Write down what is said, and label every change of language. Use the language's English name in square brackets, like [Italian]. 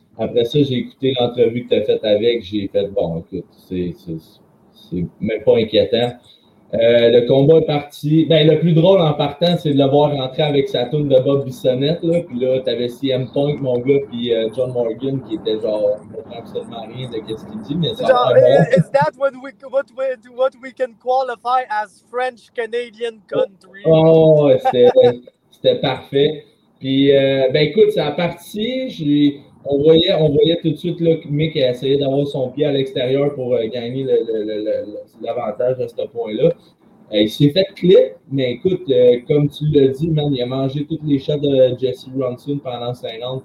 [French] Après ça, j'ai écouté l'entrevue que t'as faite avec, j'ai fait, bon écoute, c'est même pas inquiétant. Le combat est parti, ben le plus drôle en partant, c'est de le voir rentrer avec sa toune de Bob Bissonnette là, pis là, t'avais CM Punk, mon gars, pis John Morgan, qui était genre, je comprends absolument rien de qu'est-ce qu'il dit, mais ça genre, bon. [English] Is that what we can qualify as French-Canadian country? [French] Oh, c'était parfait. Pis, ben écoute, c'est parti, on voyait tout de suite là, que Mick a essayé d'avoir son pied à l'extérieur pour gagner l'avantage à ce point-là. Il s'est fait clip, mais écoute, comme tu l'as dit, man, il a mangé toutes les chats de Jesse Brunson pendant 5 ans.